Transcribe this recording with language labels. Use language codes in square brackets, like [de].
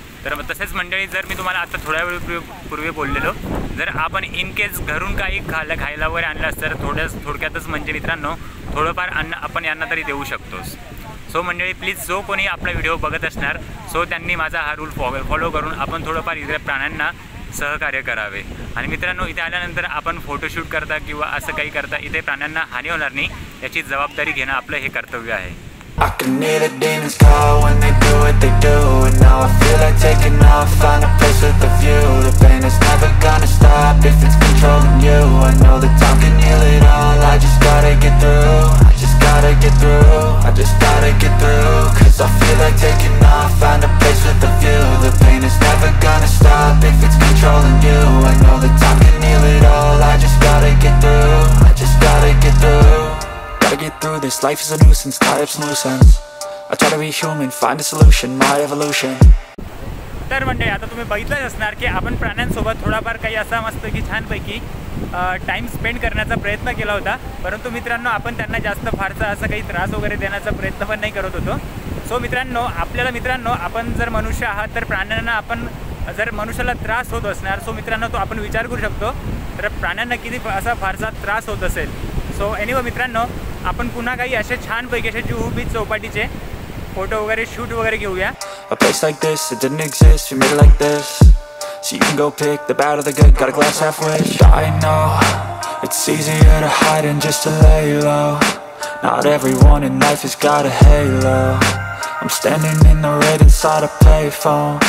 [mr] तर तसेच मंडळी, जर मी तुम्हाला आता थोड्या वेळ पूर्वी बोललेलो, जर आपण इनकेस घरून काही खायला वगैरे आणलं तर थोडक्यातच म्हणजे मित्रांनो थोडंफार अन्न आपण यांना तरी देऊ शकतोच. सो मंडळी, प्लीज जो कोणी आपला व्हिडिओ बघत असणार सो त्यांनी माझा हा रूल फॉलो करून आपण थोडंफार इतर प्राण्यांना सहकार्य करावे. आणि मित्रांनो, इथे आल्यानंतर आपण फोटोशूट करता किंवा असं काही करता इथे प्राण्यांना हानी होणार नाही याची जबाबदारी घेणं आपलं हे कर्तव्य आहे. [en] I can hear the demons call when they do what they do. And now I feel like taking off, find a place with a view. The pain is never gonna stop if it's controlling you. I know the time can heal it all, I just gotta get through. I just gotta get through, I just gotta get through. Cause I feel like taking off, find a place with a view. The pain is never gonna stop if it's controlling you. I know the time can heal it all, I just gotta get through. I just gotta get through. Gotta get through this, life is a nuisance, tied up some loose ends. I try to be human, find a solution, my evolution. [mr] तर म्हणजे आता तुम्ही बघितलंच असणार की आपण प्राण्यांसोबत थोडाफार काही असा मस्त की छानपैकी टाईम स्पेंड करण्याचा प्रयत्न केला होता. परंतु मित्रांनो, आपण त्यांना जास्त फारसा असा काही त्रास वगैरे देण्याचा प्रयत्न पण नाही करत होतो. सो मित्रांनो, आपल्याला मित्रांनो, आपण जर मनुष्य आहात तर प्राण्यांना आपण जर मनुष्याला त्रास होत असणार, सो मित्रांनो तो आपण विचार करू शकतो तर प्राण्यांना किती असा फारसा त्रास होत असेल. सो एनिवे मित्रांनो, आपण पुन्हा काही असे छानपैकी असे जुहू बीच चौपाटीचे फोटो वगैरे शूट वगैरे घेऊया. [en] A place like this, it didn't exist, we made it like this. So you can go pick the bad or the good, got a glass half wish. I know, it's easier to hide than just to lay low. Not everyone in life has got a halo. I'm standing in the red inside a payphone.